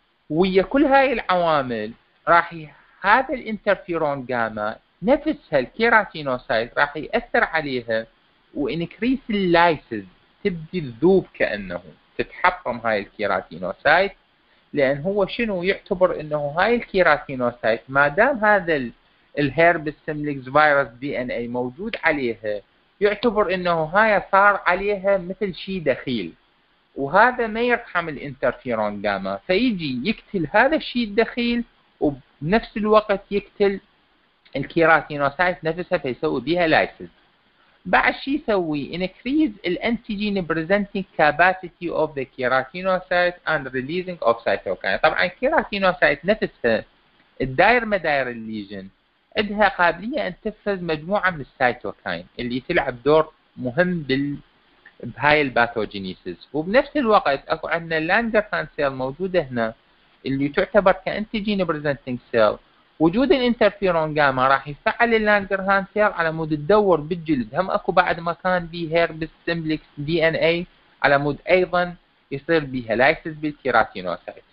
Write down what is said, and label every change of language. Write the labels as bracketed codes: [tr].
[ar] ويا كل هاي العوامل راح هذا الانترفيرون جاما نفسها الكيراتينوسايت راح ياثر عليها وانكريس اللايسز، تبدي الذوب كانه تتحطم هاي الكيراتينوسايت، لان هو شنو يعتبر انه هاي الكيراتينوسايت ما دام هذا الهيربس سيمبلكس فيروس دي ان اي موجود عليها يعتبر انه هاي صار عليها مثل شيء دخيل، وهذا ما يرحم الانترفيرون جاما، فيجي يقتل هذا الشيء الدخيل وبنفس الوقت يقتل الكيراتينوسايت نفسها فيسوي بها لايسز. بعد شيء يسوي [en] increase the antigen presenting capacity of the keratinocyte and releasing of cytokine. [ar] طبعا الكيراتينوسايت نفسها الدائر مدائر الليجن عندها قابلية ان تفرز مجموعة من السيتوكاين اللي تلعب دور مهم بهاي الباثوجينيسيس. وبنفس الوقت اكو عندنا لانجرهانس سيل موجودة هنا اللي تعتبر كانتيجين presenting سيل، وجود الانترفيرون جاما راح يفعل اللانجرهانس سيل على مود تدور بالجلد، هم اكو بعد مكان بيه هيربس سيمبلكس دي ان اي على مود ايضا يصير بيها لايسز بالكيراتينوسايت.